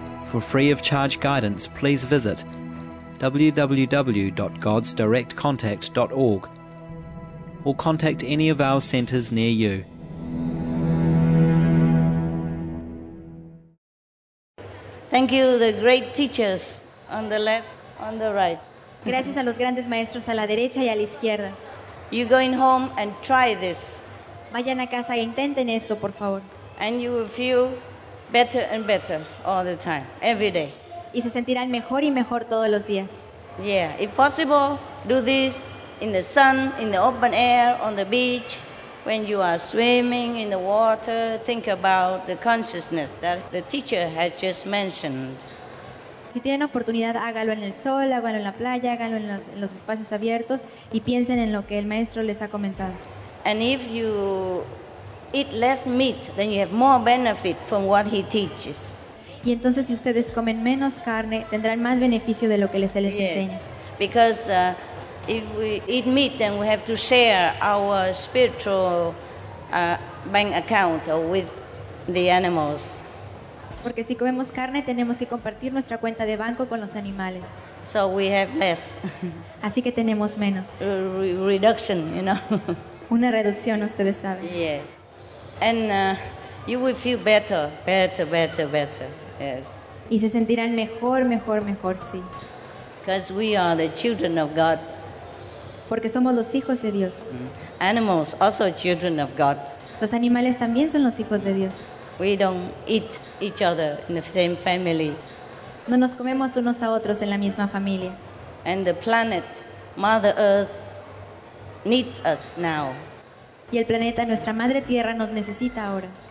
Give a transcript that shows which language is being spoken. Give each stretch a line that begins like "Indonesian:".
English: For free of charge guidance, please visit www.godsdirectcontact.org or contact any of our centres near you. Thank you, the great teachers on the left, on the right.
Spanish: Gracias a los grandes maestros a la derecha y a la izquierda.
English: You going home and try this.
Spanish: Vayan a casa e intenten esto, por favor.
English: And you will feel better and better all the time, every day.
Spanish: Y se sentirán mejor y mejor todos los días.
English: Yeah, if possible, do this in the sun, in the open air, on the beach, when you are swimming in the water, think about the consciousness that the teacher has just mentioned.
Spanish: Si tienen oportunidad, hágalo en el sol, hágalo en la playa, hágalo en los espacios abiertos y piensen en lo que el maestro les ha comentado.
English: And if you eat less meat, then you have more benefit from what he teaches.
Spanish: Y entonces si ustedes comen menos carne, tendrán más beneficio de lo que se les
English: yes.
Spanish: enseña.
English: Because if we eat meat, then we have to share our spiritual bank account with the animals.
Spanish: Porque si comemos carne, tenemos que compartir nuestra cuenta de banco con los animales.
English: So we have less.
Spanish: Así que tenemos menos.
English: Reduction, you know.
Spanish: Una reducción, ustedes saben.
English: Yes. And you will feel better. Yes.
Spanish: Y se sentirán mejor, sí.
English: Because we are the children of God.
Spanish: Porque somos los hijos de Dios.
English: Animals also children of God.
Spanish: Los animales también son los hijos de Dios.
English: We don't eat each other in the same family.
Spanish: No nos comemos unos a otros en la misma familia.
English: And the planet, Mother Earth, needs us now.
Spanish: Y el planeta, nuestra Madre Tierra, nos necesita ahora.